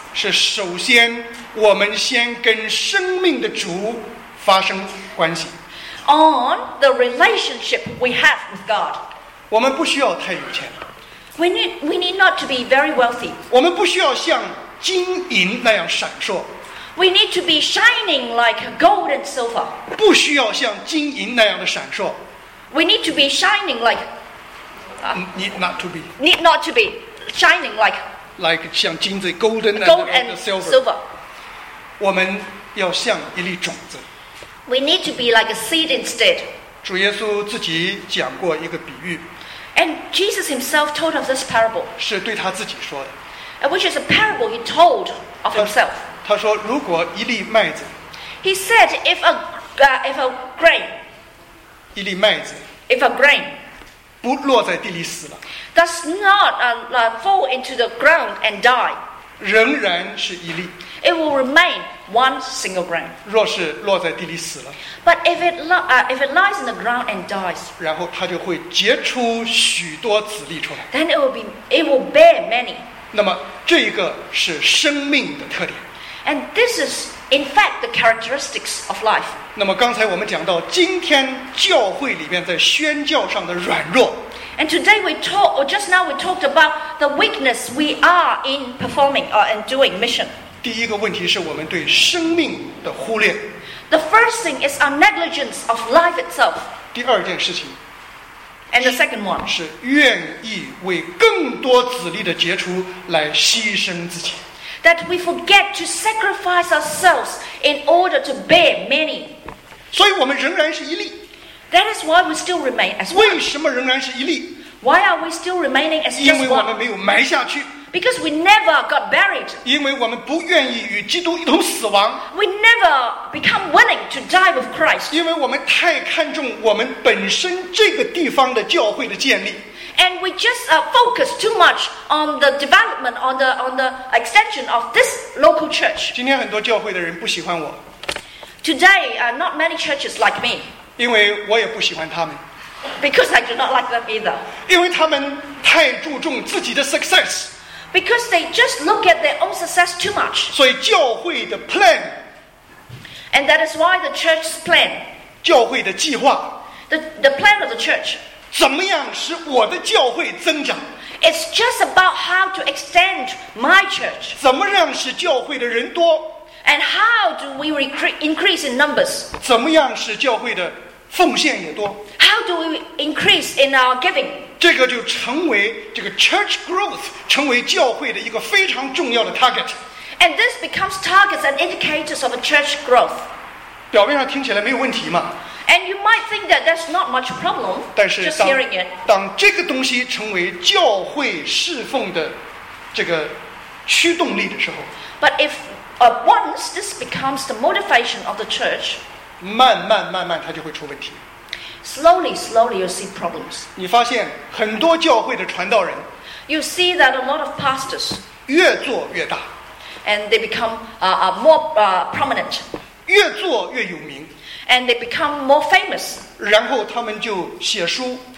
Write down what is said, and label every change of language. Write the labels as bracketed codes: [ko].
[zh] 是首先我们先跟生命的主发生关系。 [en] On the relationship we have with God， [zh] 我们不需要太有钱。 [en] We need not to be very wealthy。 [zh] 我们不需要像金银那样闪烁。 [en] We need to be shining like gold and silver。 [zh] 不需要像金银那样的闪烁。 [en] We need to be shining like。 Need not to be. Need not to be shining like. Like [zh] 像金子 [en] golden gold and silver. [zh] Silver. 我们要像一粒种子。 [en] We need to be like a seed instead. [zh] 主耶稣自己讲过一个比喻。 [en] And Jesus himself told of this parable. [zh] 是对他自己说的。 [en] Which is a parable he told of himself. [zh] 他说如果一粒麦子。 [en] He said if a grain. [zh] 一粒麦子。 [en] If a grain. [zh] 不落在地里死了。 [en] Does not fall into the ground and die. [zh] 仍然是一粒。 [en] It will remain one single grain. [zh] 若是落在地里死了。 [en] But if it lies in the ground and dies. [zh] 然后它就会结出许多子粒出来。 [en] Then it will bear many. [zh] 那么这个是生命的特点。 [en] And this is in fact the characteristics of life. [zh] 那么刚才我们讲到今天教会里面在宣教上的软弱 [en] And today just now we talked about the weakness we are in performing and doing mission [zh] 第一个问题是我们对生命的忽略 [en] The first thing is our negligence of life itself [zh] 第二件事情 [en] And the second one [zh] 是愿意为更多子粒的结出来牺牲自己 [en] that we forget to sacrifice ourselves in order to bear many. [zh] 所以我们仍然是一粒。 [en] That is why we still remain as one. [zh] 为什么仍然是一粒？ [en] Why are we still remaining as just one? [zh] 因为我们没有埋下去。 [en] Because we never got buried. [zh] 因为我们不愿意与基督一同死亡。 [en] We never become willing to die with Christ. [zh] 因为我们太看重我们本身这个地方的教会的建立。 [en] And we just focus too much on the development, on the extension of this local church. [zh] 今天很多教会的人不喜欢我。 [en] Today, not many churches like me. [zh] 因为我也不喜欢他们。 [en] Because I do not like them either. [zh] 因为他们太注重自己的 success. [en] Because they just look at their own success too much. [zh] 所以教会的 plan. [en] And that is why the church's plan. [zh] 教会的计划。 [en] The plan of the church. [zh] 怎么样使我的教会增长？ [en] It's just about how to extend my church. [zh] 怎么让使教会的人多？ [en] And how do we increase in numbers? [zh] 怎么样使教会的奉献也多？ [en] How do we increase in our giving? [zh] 这个就成为这个 church growth， 成为教会的一个非常重要的 target。 [en] And this becomes targets and indicators of a church growth. [zh] 表面上听起来没有问题吗？ [en] And you might think that that's not much problem. [zh] 但是 [en] just hearing it. [zh] 当这个东西成为教会侍奉的这个驱动力的时候， [en] but if once this becomes the motivation of the church, [zh] 慢慢慢慢它就会出问题。 [en] Slowly, slowly you'll see problems. [zh] 你发现很多教会的传道人， [en] you see that a lot of pastors [zh] 越做越大， [en] and they become more prominent. [zh] 越做越有名。 [en] And they become more famous. [zh] 然后他们就写书。